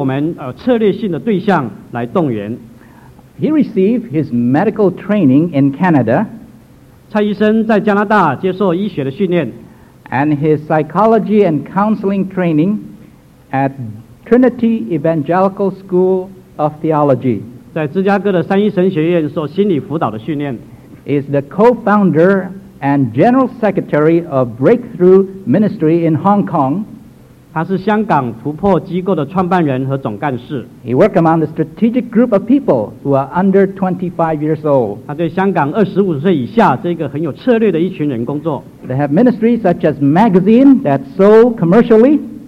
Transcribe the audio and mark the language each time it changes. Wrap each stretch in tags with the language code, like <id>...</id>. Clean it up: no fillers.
<zh>今天早上他的重点要讲到怎么样对我们策略性的对象来动员。</zh> <en>He received his medical training in Canada.</en> <zh>蔡医生在加拿大接受医学的训练。</zh> <en>And his psychology and counseling training at Trinity Evangelical School of Theology.</en> <zh>在芝加哥的三一神学院受心理辅导的训练。</zh> <en>He is the co-founder and general secretary of Breakthrough Ministry in Hong Kong.</en> <zh>他是香港突破机构的创办人和总干事。</zh> <en>He worked among the strategic group of people who are under 25 years old.</en> <zh>他对香港25岁以下这个很有策略的一群人工作。</zh> <en>They have ministries such as magazine that sold commercially.</en>